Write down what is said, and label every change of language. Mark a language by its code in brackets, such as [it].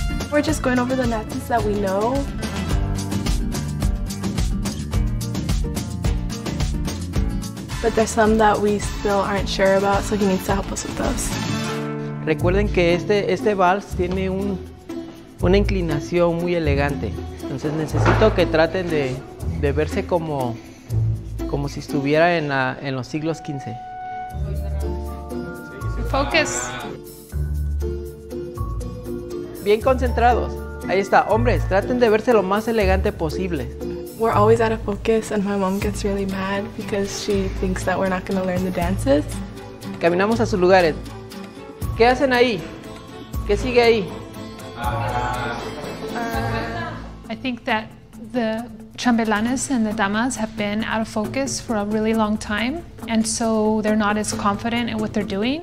[en] We're just going over the dances that we know. But there's some that we still aren't sure about, so he needs to help us with those. [es] Recuerden que este vals tiene una inclinación muy elegante. Entonces necesito que traten de verse como si estuviera en los siglos 15. [en] Focus. [es] Bien concentrados. Ahí está. Hombres, traten de verse lo más elegante posible. [en] We're always out of focus and my mom gets really mad because she thinks that we're not going to learn the dances. [es] Caminamos a sus lugares. ¿Qué hacen ahí? ¿Qué sigue ahí? [en] I think that the chambelanes and the damas have been out of focus for a really long time, and so they're not as confident in what they're doing.